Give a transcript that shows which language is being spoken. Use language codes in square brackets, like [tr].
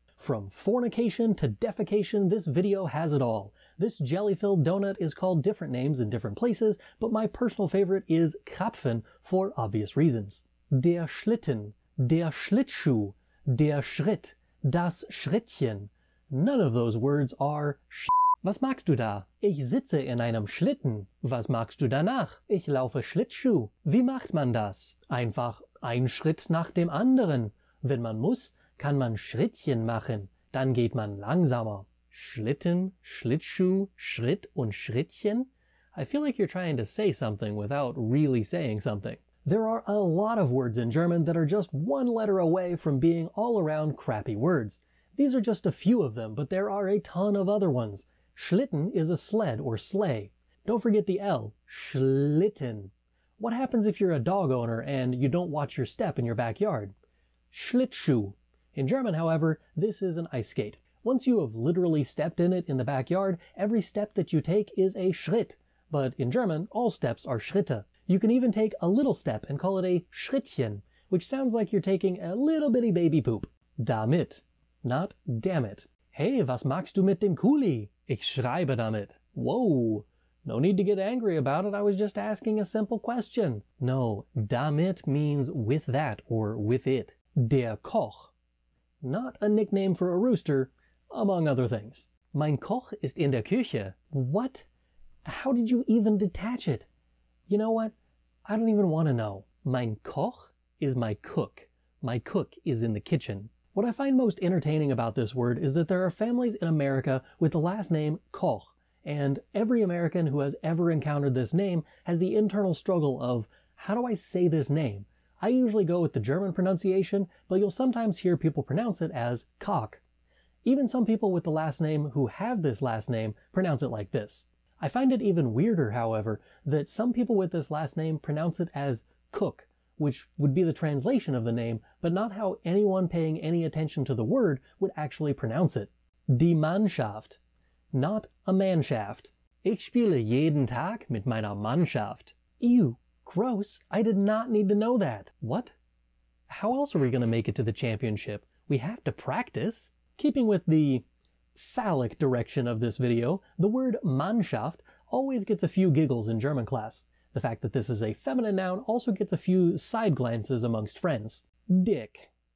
[en] From fornication to defecation, this video has it all. This jelly-filled donut is called different names in different places, but my personal favorite is Krapfen for obvious reasons. [de] Der Schlitten, der Schlittschuh, der Schritt, das Schrittchen. [en] None of those words are sch. [de] Was magst du da? Ich sitze in einem Schlitten. Was magst du danach? Ich laufe Schlittschuh. Wie macht man das? Einfach ein Schritt nach dem anderen. Wenn man muss, kann man Schrittchen machen. Dann geht man langsamer. Schlitten, Schlittschuh, Schritt und Schrittchen? [en] I feel like you're trying to say something without really saying something. There are a lot of words in German that are just one letter away from being all-around crappy words. These are just a few of them, but there are a ton of other ones. Schlitten is a sled or sleigh. Don't forget the L. Schlitten. What happens if you're a dog owner and you don't watch your step in your backyard? Schlittschuh. In German, however, this is an ice skate. Once you have literally stepped in it in the backyard, every step that you take is a Schritt. But in German, all steps are Schritte. You can even take a little step and call it a Schrittchen, which sounds like you're taking a little bitty baby poop. Damit. Not damn it. [de] Hey, was magst du mit dem Kuli? Ich schreibe damit. [en] Whoa. No need to get angry about it. I was just asking a simple question. No, damit means with that or with it. [de] Der Koch. [en] Not a nickname for a rooster, among other things. [de] Mein Koch ist in der Küche. [en] What? How did you even detach it? You know what? I don't even want to know. Mein Koch is my cook. My cook is in the kitchen. What I find most entertaining about this word is that there are families in America with the last name Koch, and every American who has ever encountered this name has the internal struggle of, how do I say this name? I usually go with the German pronunciation, but you'll sometimes hear people pronounce it as Koch. Even some people with the last name who have this last name pronounce it like this. I find it even weirder, however, that some people with this last name pronounce it as Cook, which would be the translation of the name, but not how anyone paying any attention to the word would actually pronounce it. [de] Die Mannschaft. [en] Not a manshaft. [de] Ich spiele jeden Tag mit meiner Mannschaft. [en] Ew, gross. I did not need to know that. What? How else are we going to make it to the championship? We have to practice. Keeping with the phallic direction of this video, the word Mannschaft always gets a few giggles in German class. The fact that this is a feminine noun also gets a few side glances amongst friends. Dick.